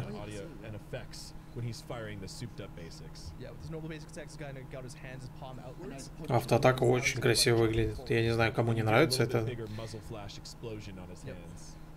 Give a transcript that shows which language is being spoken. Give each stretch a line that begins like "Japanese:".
English: Audio and effects when he's firing the souped-up basics. Yeah, with his normal basic attack, he's kind of got his hands and palm outwards.
Russian: Автоатака очень красиво выглядит. Я не знаю, кому не нравится это.
English: Bigger muzzle flash explosion on his hands.